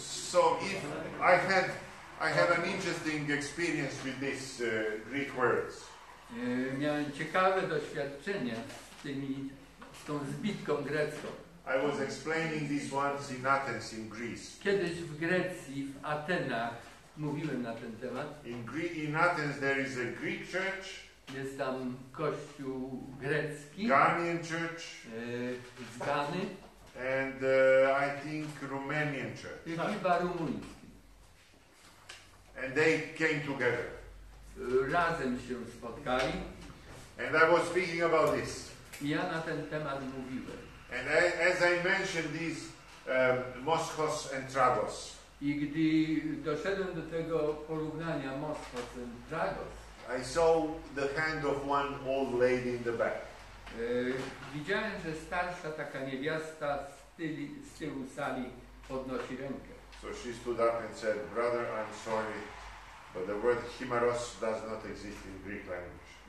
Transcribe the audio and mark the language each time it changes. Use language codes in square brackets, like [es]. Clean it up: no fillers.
[en] So if I had an interesting experience with this Greek words. [pl] Miałem ciekawe doświadczenie z tą zbitką grecką. [en] I was explaining this once in Athens in Greece. [pl] Kiedyś w Grecji, w Atenach, mówiłem na ten temat. [en] In Athens there is a Greek church. [pl] Jest tam kościół grecki. [en] Ghanaian church. [pl] Z Ghany. [en] And I think Romanian church. [pl] Chyba rumuński. [en] And they came together. [pl] Razem się spotkali. [en] And I was speaking about this. [pl] Ja na ten temat mówiłem. [en] And as I mentioned these Moskos and Tragos. [pl] I gdy doszedłem do tego porównania Moskos and Tragos. [en] I saw the hand of one old lady in the back. [pl] Widziałem, że starsza taka niewiasta z tyłu sali podnosi rękę. [en] So she stood up and said, "Brother, I'm sorry, but the word chimeros does not exist in Greek language."